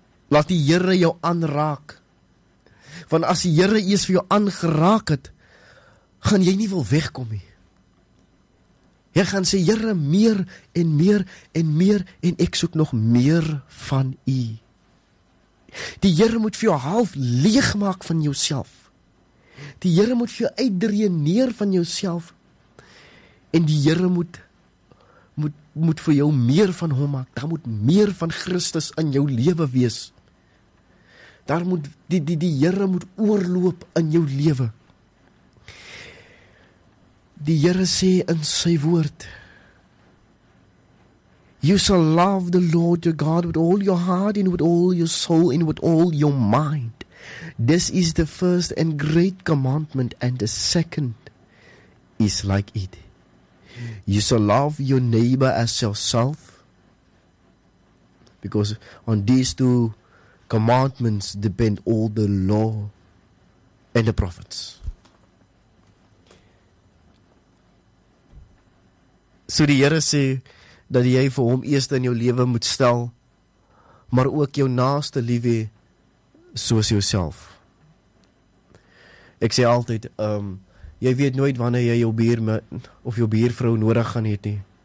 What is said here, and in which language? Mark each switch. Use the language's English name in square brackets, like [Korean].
[Afrikaans] Laat die Here jou aanraak. Want as die Here eers vir jou aangeraak het, gaan jy nie wil wegkom nie. Jy gaan sê, Here, meer en meer en meer en ek soek nog meer van U. Die Here moet vir jou half leeg maak van jouself. Die Here moet vir jou uitdreneer van jouself. En die Here moet vir jou meer van Hom maak. Daar moet meer van Christus in jou lewe wees. Daar moet die Here moet oorloop in jou lewe. Die Here sê in sy woord, [English] you shall love the Lord your God with all your heart and with all your soul and with all your mind. This is the first and great commandment, and the second is like it. You shall love your neighbor as yourself, because on these two commandments depend all the law and the prophets. [Afrikaans] So die Here sê dat jy vir hom eerste in jou lewe moet stel, maar ook jou naaste lief hê soos jouself. Ek sê altyd, jy weet nooit wanneer jy jou buurman of jou buurvrou nodig gaan hê nie.